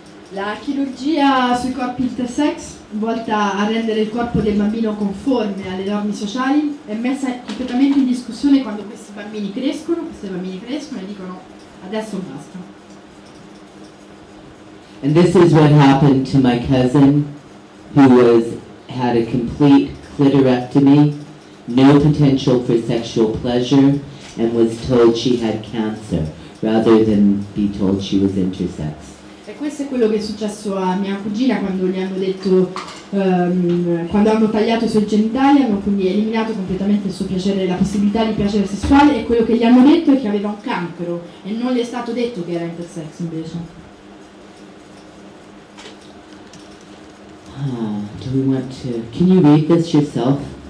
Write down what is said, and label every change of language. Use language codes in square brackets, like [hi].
[it] La chirurgia sui corpi intersex, volta a rendere il corpo del bambino conforme alle norme sociali, è messa completamente in discussione quando questi bambini crescono e dicono adesso basta. [en] And this is what happened to my cousin, who had a complete clitorectomy, no potential for sexual pleasure, and was told she had cancer, rather than be told she was intersex. [it] E questo è quello che è successo a mia cugina quando gli hanno detto, quando hanno tagliato i suoi genitali, hanno quindi eliminato completamente il suo piacere, la possibilità di piacere sessuale, e quello che gli hanno detto è che aveva un cancro e non gli è stato detto che era intersex invece. [en] Do we want to, can you read this yourself?